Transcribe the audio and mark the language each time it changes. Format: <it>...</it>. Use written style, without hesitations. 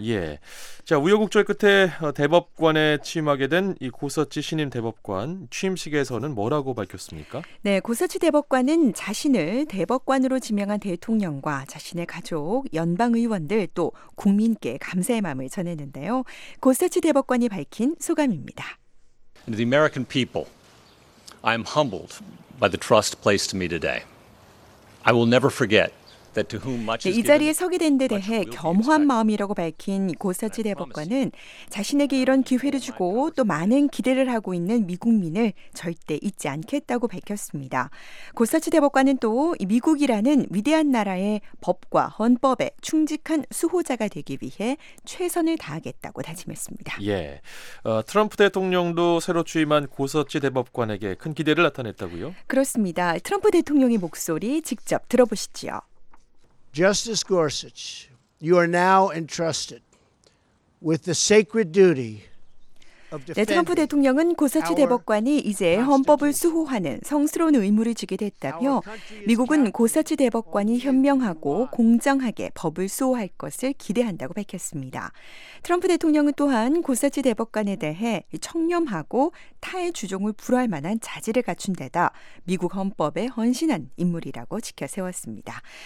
<ko>예, 자 우여곡절 끝에 대법관에 취임하게 된 이 고서치 신임 대법관 취임식에서는 뭐라고 밝혔습니까? 네, 고서치 대법관은 자신을 대법관으로 지명한 대통령과 자신의 가족, 연방의원들 또 국민께 감사의 마음을 전했는데요. 고서치 대법관이 밝힌 소감입니다.</ko> <en>The American people, I am humbled by the trust placed in me today. I will never forget.</en> <ko>네, 이 자리에 서게 된 데 대해 겸허한 마음이라고 밝힌 고서치 대법관은 자신에게 이런 기회를 주고 또 많은 기대를 하고 있는 미국민을 절대 잊지 않겠다고 밝혔습니다. 고서치 대법관은 또 미국이라는 위대한 나라의 법과 헌법에 충직한 수호자가 되기 위해 최선을 다하겠다고 다짐했습니다. 예, 트럼프 대통령도 새로 취임한 고서치 대법관에게 큰 기대를 나타냈다고요? 그렇습니다. 트럼프 대통령의 목소리 직접 들어보시죠.</ko> <en>Justice Gorsuch, you are now entrusted with the sacred duty</en> <ko>네, 트럼프 대통령은 고사치 대법관이 이제 헌법을 수호하는 성스러운 의무를 지게 됐다며 미국은 고사치 대법관이 현명하고 공정하게 법을 수호할 것을 기대한다고 밝혔습니다. 트럼프 대통령은 또한 고사치 대법관에 대해 청렴하고 타의 주종을 불허할 만한 자질을 갖춘 데다 미국 헌법에 헌신한 인물이라고 지켜세웠습니다.</ko>